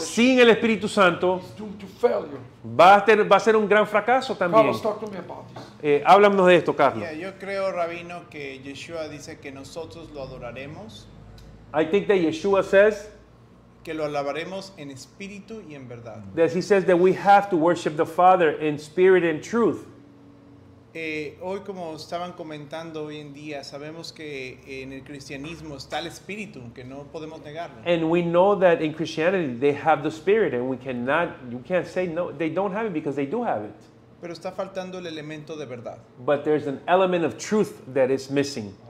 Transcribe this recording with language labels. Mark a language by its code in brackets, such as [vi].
[es] sin el Espíritu Santo [en] is doomed to failure. [es] Va a ser un gran fracaso también. [en] Carlos, talk to me about this. [es] Háblanos de esto, Carlos. Yeah, yo creo, Rabino, que Yeshua dice que nosotros lo adoraremos [en] I think that Yeshua says [es] que lo alabaremos en espíritu y en verdad. [en] That he says that we have to worship the Father in spirit and truth. [es] Hoy como estaban comentando hoy en día, sabemos que en el cristianismo está el espíritu, que no podemos negarlo. [en] And we know that in Christianity they have the spirit and you can't say no, they don't have it because they do have it. [es] Pero está faltando el elemento de verdad. [en] But there's an element of truth that is missing.